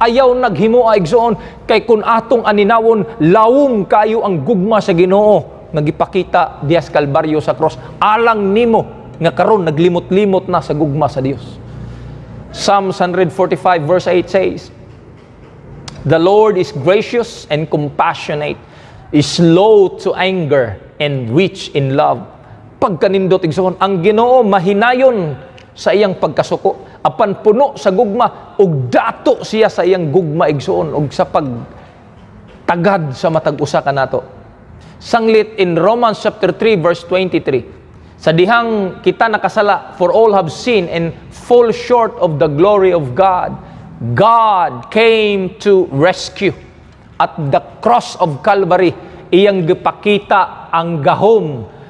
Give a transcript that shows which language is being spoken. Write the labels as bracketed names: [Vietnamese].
[Cebuano] Ayaw naghimoa, igsoon. Kay kun atong aninawon, lawom kayo ang gugma sa Ginoo nga gipakita diha sa Kalbaryo sa cross. Alang nimo nga karon naglimot-limot na sa gugma sa Dios. [English] Psalms 145 verse 8 says, "The Lord is gracious and compassionate, is slow to anger and rich in love." [Cebuano] Pagkanindot, igsoon, ang Ginoo mahinayon sa iyang pagkasuko, apan puno sa gugma, ug dato siya sa iyang gugma, igsoon, ug sa pagtagad sa matag-usa kanato. Sanglit [English] in Romans chapter 3 verse 23, [Cebuano] "Sa dihang kita nakasala, [English] for all have sinned and fall short of the glory of God, God came to rescue." At the cross of Calvary, [Cebuano] iyang gipakita ang gahom.